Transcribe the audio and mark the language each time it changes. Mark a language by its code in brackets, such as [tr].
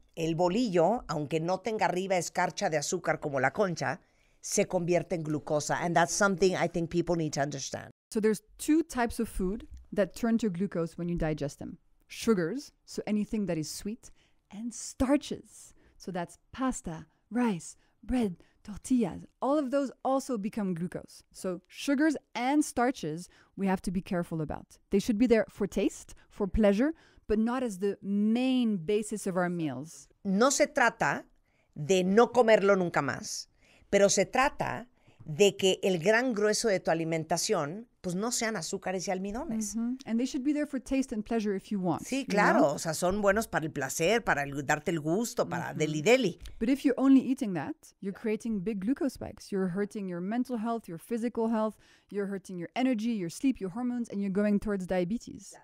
[es] El bolillo, aunque no tenga arriba escarcha de azúcar como la concha, se convierte en glucosa. [en] And that's something I think people need to understand. So there's two types of food that turn to glucose when you digest them. Sugars, so anything that is sweet, and starches. So that's pasta, rice, bread, tortillas. All of those also become glucose. So sugars and starches, we have to be careful about. They should be there for taste, for pleasure, but not as the main basis of our meals. [es] No se trata de no comerlo nunca más, pero se trata de que el gran grueso de tu alimentación pues no sean azúcares y almidones. Mm-hmm. [en] And they should be there for taste and pleasure if you want. [es] Sí, claro. [en] You know? [es] O sea, son buenos para el placer, para darte el gusto, para deli. [en] But if you're only eating that, you're creating big glucose spikes. You're hurting your mental health, your physical health. You're hurting your energy, your sleep, your hormones, and you're going towards diabetes.